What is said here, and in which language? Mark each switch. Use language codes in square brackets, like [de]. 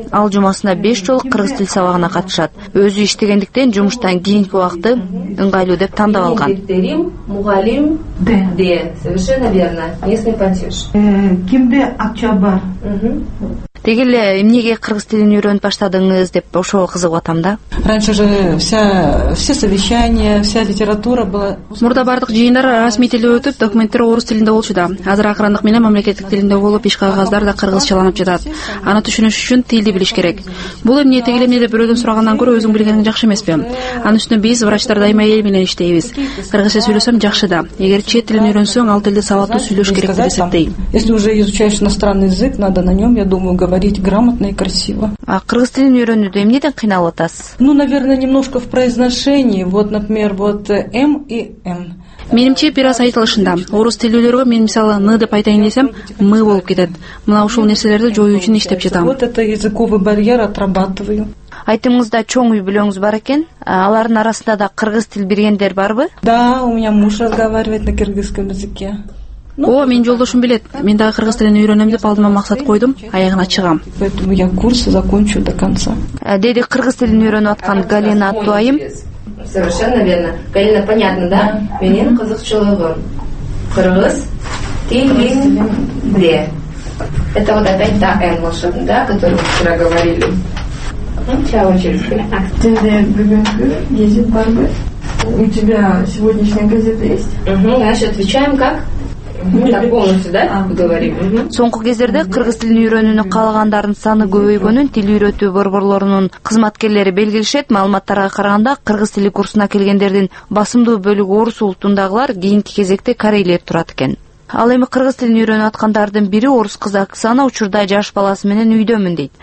[ky] Ал жумасына 5 жолу кыргыз тил сабагына катышат. Өзү иштегендиктен жумуштан кийинки убакты ыңгайлуу деп тандап алган. Мугалим де. [ru] Совершенно верно. Местный платеж. [ky] Кимде акча бар? Деги эле эмнеге кыргыз тилин үйрөнүп баштадыңыз деп ошого кызыгып атам да. [ru] Раньше же все совещания, вся литература была. [ky] Мурда бардык жыйындар расмий тилде өтүп, документтер орус тилинде болчу да. Азыр акырындык менен мамлекеттик тилинде болуп, иш кагаздар да кыргызчаланып жатат. Аны түшүнүш үчүн тилди билиш керек. Бул эмне деги эле мени бирөөдөн сурагандан көрө өзүң билгениң жакшы эмеспи? Анын үстүнө биз врачтар дайыма эл менен иштейбиз. Кыргызча сүйлөсөм жакшы да. Эгер чет тилин үйрөнсөң, ал тилде сабаттуу сүйлөш керек деп эсептейм. [ru] Если уже изучаешь иностранный язык, надо на нём, я думаю, говорить грамотно и красиво. [ky] А кыргыз тилин үйрөнүүдө эмнеден кыйналып атасыз? [ru] Ну, наверное, немножко в произношении. Вот, например, вот М и Н. [ky] Менимче бир аз айтылышында. Орус тилүүлөргө мен мисалы Н деп айтайын десем, М болуп кетет. Мына ушул нерселерди жоюу үчүн иштеп жатам. [ru] Вот это языковый барьер отрабатываю. [ky] Айтымыңызда чоң үй бүлөңүз бар экен. Алардын арасында да кыргыз тил билгендер барбы? [ru] Да, у меня муж разговаривает на кыргызском языке. [ky] Мен жолдошум билет. Мен дагы кыргыз тилин үйрөнөм деп алдыма максат койдум, аягына чыгам. [ru] Поэтому я курс закончу до конца. [ky] Деди кыргыз тилин үйрөнүп аткан Галина Атуайым. [ru] Совершенно верно. Галина, понятно, да? [ky] Менин кызыкчылыгым кыргыз тилинде. [ru] Это вот опять та эн волшебная, да, которую мы вчера говорили. Сначала через У тебя сегодняшняя газета есть? Значит, отвечаем как? Так полностью, да, говорим? [ky] Соңку кездерде кыргыз тилин үйрөнүүнү каалагандардын саны көбөйгөнүн тил үйрөтүү борборлорунун кызматкерлери белгилишет. Маалыматтарга караганда кыргыз тили курсуна келгендердин басымдуу бөлүгү орус улутундагылар, кийинки кезекте корейлер турат экен. Ал эми кыргыз тилин үйрөнүп аткандардын бири орус кыз Оксана учурда жаш баласы менен үйдөмүн дейт.